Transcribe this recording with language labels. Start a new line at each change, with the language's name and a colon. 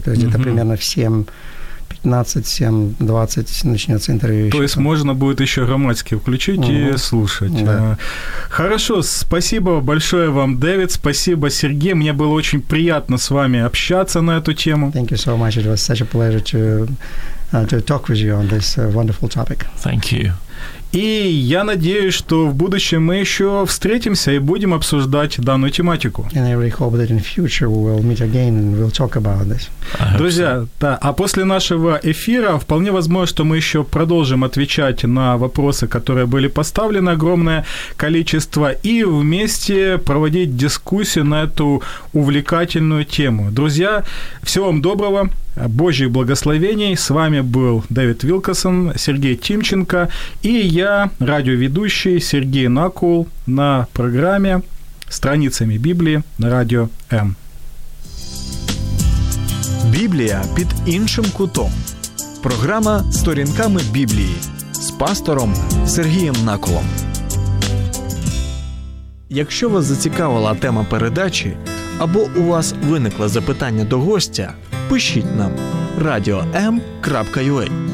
Russian: То есть это примерно в 7:15, 7:20 начнется интервью. То есть можно будет еще Громадский включить и слушать. Да. Хорошо, спасибо большое вам, Дэвид. Спасибо, Сергей. Мне было очень приятно с вами общаться на эту тему.
English: Thank you so much. It was such a pleasure to talk with you on this wonderful topic. Thank you.
Russian: И я надеюсь, что в будущем мы еще встретимся и будем обсуждать данную тематику.
English: And I really hope that in future we will meet again and we'll talk about this.
Russian: Друзья, да, а после нашего эфира вполне возможно, что мы еще продолжим отвечать на вопросы, которые были поставлены, огромное количество, и вместе проводить дискуссию на эту увлекательную тему. Друзья, всего вам доброго. Божьих благословений. С вами был Дэвид Вилкинсон, Сергей Тимченко и я, радиоведущий Сергей Накул на программе «Страницами Библии» на Радио М.
Ukrainian: Библия під іншим кутом. Програма «Сторінками Біблії» з пастором Сергієм Накулом. Якщо вас зацікавила тема передачі або у вас виникло запитання до гостя, пишіть нам radio.m.ua.